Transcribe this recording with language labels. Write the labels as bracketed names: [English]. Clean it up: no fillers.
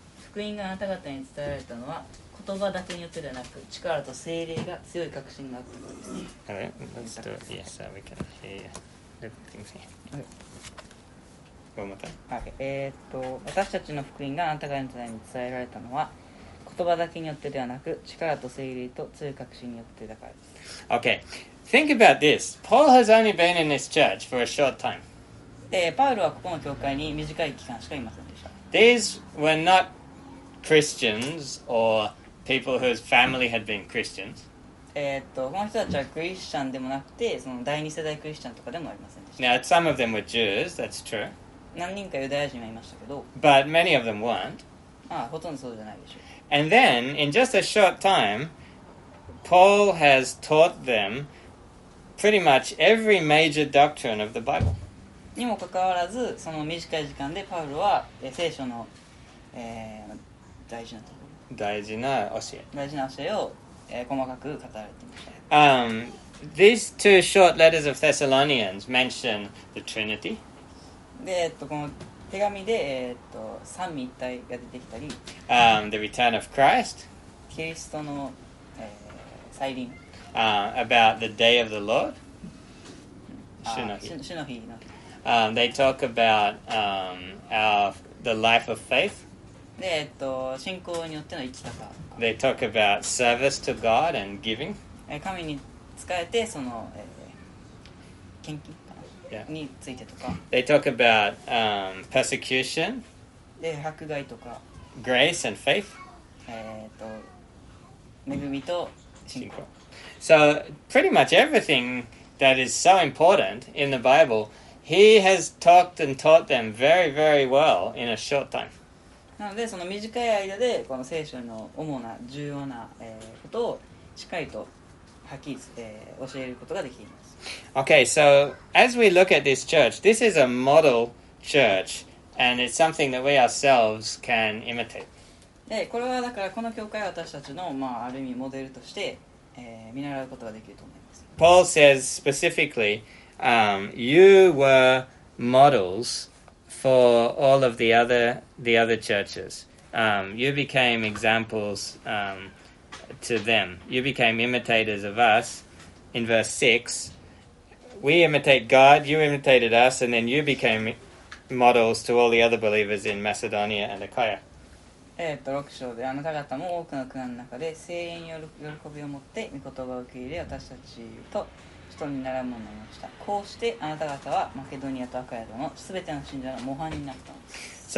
[Japanese] 福音があなた方に伝えられたのは、言葉だけによってではなく、力と聖霊が強い確信があったからです。 [English] Okay, let's do it. Yes, we can hear you. One more time. [Japanese] Okay. 私たちの福音があなた方に伝えられたのは、言葉だけによってではなく、力と聖霊と強い確信によってだからです。 [English] Okay. Think about this. Paul has only been in this church for a short time. [Japanese] で、パウルはここの教会に短い期間しかいませんでした。 [English] These were not Christians or people whose family had been Christians. [Japanese] この人たちはクリスチャンでもなくて、その第二世代クリスチャンとかでもありませんでした。 [English] Now, some of them were Jews, that's true. [Japanese] 何人かユダヤ人はいましたけど。 [English] But many of them weren't. [Japanese] ああ、ほとんどそうじゃないでしょう。 [English] And then, in just a short time, Paul has taught them pretty much every major doctrine of the Bible. [Japanese] にもかかわらず、その短い時間でパウロは聖書の、大事なところ。大事な教えを、細かく語られていました。 [English] These two short letters of Thessalonians mention the Trinity. [Japanese] で、この手紙で、三位一体が出てきたり、 [English] The return of Christ. [Japanese] キリストの、再臨。 [English] About the day of the Lord. [Japanese] 主の日。 [English] They talk about the life of faith. [Japanese] で、信仰によっての生き方。 [English] They talk about service to God and giving. [Japanese] 神に仕えてその、献金かな、 [English] yeah. [Japanese] についてとか。 [English] They talk about persecution. [Japanese] で、迫害とか。 [English] Grace and faith. [Japanese] 恵みと信仰。 [English] So pretty much everything that is so important in the Bible. He has talked and taught them very, very well in a short time. [Japanese] なので、その短い間で、この聖書の主な重要な、ことをしっかりと吐き、教えることができます。 [English] Okay, so as we look at this church, this is a model church, and it's something that we ourselves can imitate. [Japanese] で、これはだからこの教会は私たちの、まあ、ある意味モデルとして、見習うことができると思います。 [English] Paul says specifically,you were models for all of the other churches. You became examples to them. You became imitators of us in verse 6. We imitate God, you imitated us, and then you became models to all the other believers in Macedonia and Achaia. [Japanese] 6章であなた方も多くの苦難の中で聖霊による喜びを持って御言葉を受け入れ私たちと人に習うものになりました。こうしてあなた方はマケドニアとアカヤドのすべての信者の模範になったのです。